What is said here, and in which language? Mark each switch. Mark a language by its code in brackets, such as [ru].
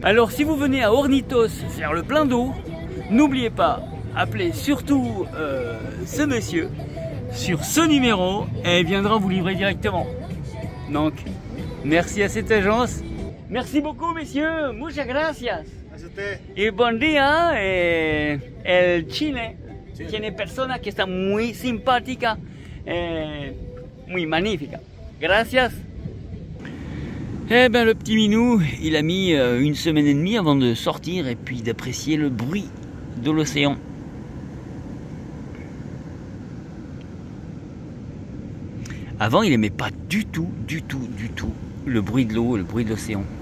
[fr] Alors, si vous venez à Hornitos faire le plein d'eau, n'oubliez pas, appelez surtout ce monsieur sur ce numéro et il viendra vous livrer directement. Donc, merci à cette agence. Merci beaucoup, messieurs. [es] Muchas gracias. [fr] Et bon dia. [es] Et el Chile tiene persona que está muy simpática et muy magnífica. Gracias. [fr] Eh bien, le petit minou, il a mis une semaine et demie avant de sortir et puis d'apprécier le bruit de l'océan. Avant, il aimait pas du tout le bruit de l'eau, le bruit de l'océan.